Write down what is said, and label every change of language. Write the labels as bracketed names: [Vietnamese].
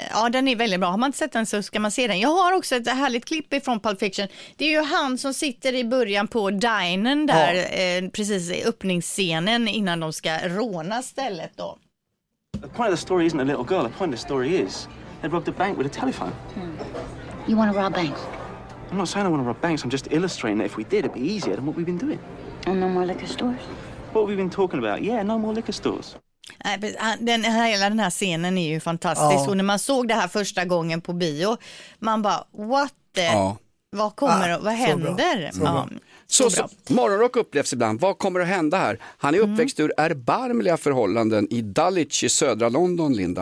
[Swedish] den är väldigt bra. Har man inte sett den så ska man se den. Jag har också ett härligt klipp ifrån Pulp Fiction. Det är ju han som sitter i början på dinern där, precis i öppningsscenen innan de ska råna stället då. [English] The point of the story isn't a little girl. The point of the story is they robbed a bank with a telephone. Hmm. You want to rob banks? I'm not saying I want to rob banks. I'm just illustrating that if we did, it'd be easier than what we've been doing. And no more liquor stores? What we've been talking about? Yeah, no more liquor stores. [Swedish] Den här scenen är ju fantastisk. Och när man såg det här första gången på bio, man bara, [English] what the? [Swedish] Vad kommer vad händer? Så morgonrock upplevs ibland. Vad kommer att hända här? Han är uppväxt ur erbarmliga förhållanden i Dulwich i södra London, Linda.